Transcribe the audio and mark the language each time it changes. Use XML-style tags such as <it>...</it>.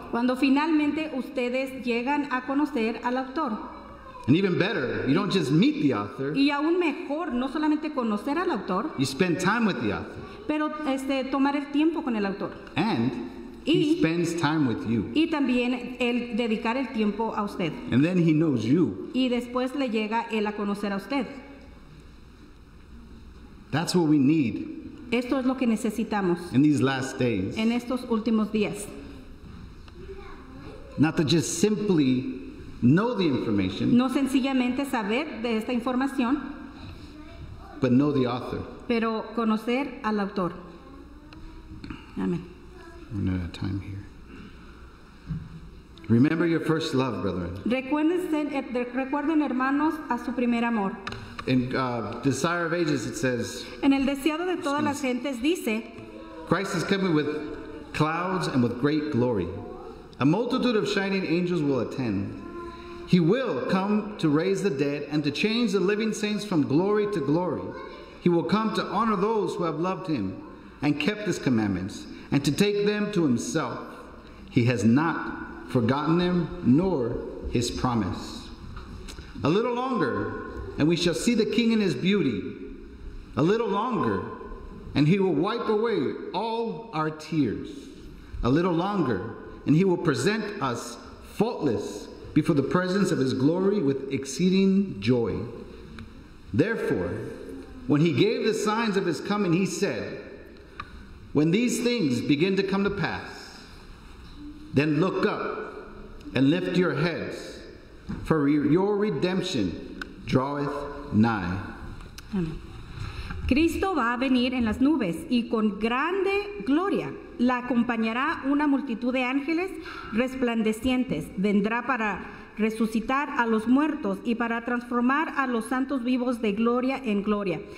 <es>Cuando finalmente ustedes llegan a conocer al autor.</es> <en>And even better, you don't just meet the author.</en> <es>Y aún mejor, no solamente conocer al autor.</es> <en>You spend time with the author.</en> <es>Pero tomar el tiempo con el autor.</es> <en>And he spends time with you.</en> <es>Y también el dedicar el tiempo a usted.</es> <en>And then he knows you.</en> <es>Y después le llega él a conocer a usted.</es> <en>That's what we need.</en> <es>Esto es lo que necesitamos.</es> <en>In these last days.</en> <es>En estos últimos días.</es> <en>Not to just simply know the information.</en> <es>No sencillamente saber de esta información.</es> <en>But know the author.</en> <es>Pero conocer al autor. Amen.</es> <en>We're not out of time here. Remember your first love, brethren.</en> <es>Recuerden, hermanos, a su primer amor.</es> <en>In Desire of Ages, it says.</en> <es>En el deseado de todas las gentes dice.</es> <en>Christ is coming with clouds and with great glory. A multitude of shining angels will attend. He will come to raise the dead and to change the living saints from glory to glory. He will come to honor those who have loved him and kept his commandments and to take them to himself. He has not forgotten them nor his promise. A little longer and we shall see the king in his beauty. A little longer and he will wipe away all our tears. A little longer and he will present us faultless before the presence of his glory with exceeding joy. Therefore, when he gave the signs of his coming, he said, when these things begin to come to pass, then look up and lift your heads, for your redemption draweth nigh.</en> <es>Cristo va a venir en las nubes y con grande gloria. La acompañará una multitud de ángeles resplandecientes. Vendrá para resucitar a los muertos y para transformar a los santos vivos de gloria en gloria.</es>